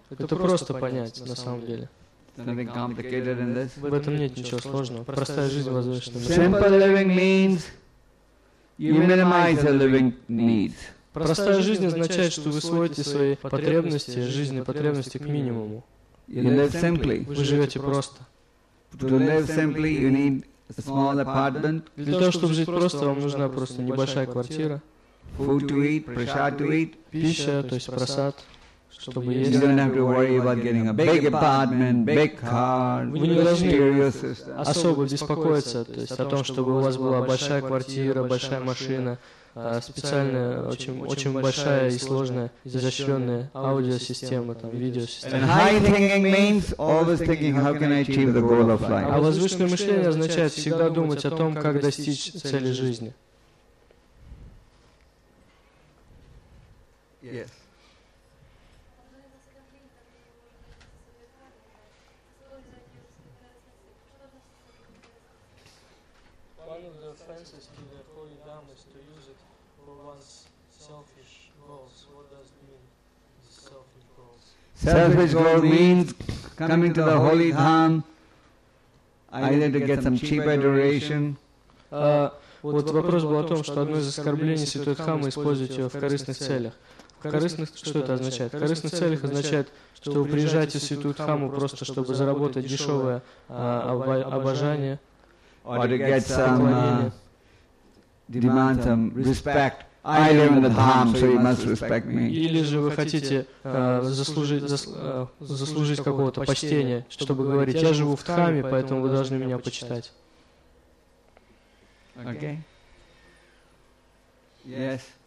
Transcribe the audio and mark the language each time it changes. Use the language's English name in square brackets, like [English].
[Russian] Это просто понять, на самом деле. [English] Something complicated in this? [Russian] В этом нет ничего сложного. Простая жизнь возвышенная. [English] Simple living means you minimize your living needs. [Russian] Простая жизнь означает, что вы сводите свои потребности, жизненные потребности к минимуму. [English] You live simply. [Russian] Вы живете просто. [English] To live simply, you need a small apartment. [Russian] Для того, чтобы жить просто, вам нужна просто небольшая квартира. [English] Food to eat, prasad to eat. [Russian] Пища, то есть просад, чтобы есть. [English] You don't have to worry about getting a big apartment, big car, stereo system. [Russian] Вы не должны особо беспокоиться, то есть о том, чтобы у вас была большая квартира, большая машина, специальная, очень большая и сложная, изощренная аудиосистема, там, видеосистема. [English] And high thinking means always thinking, how can I achieve the goal of life? [Russian] А возвышенное мышление означает всегда думать о том, как достичь цели жизни. [English] Yes. One of the offenses to the holy dam is to use it for one's selfish goals. What does it mean, selfish goals? Selfish goal means coming to the holy dam, either to get some cheap adoration. [Russian] Вот вопрос был о том, что одно из оскорблений святой дхамы использовать ее в корыстных целях. Корыстных, что это означает? В корыстных целях означает, что вы приезжаете в святую дхаму просто, чтобы заработать дешевое обожание. [English] Or to get some, demand some respect. I live in the dham, so you must respect me. [Russian] Или же вы хотите заслужить какого-то почтения, чтобы говорить, я живу в дхаме, поэтому вы должны меня почитать. [English] Okay. Yes.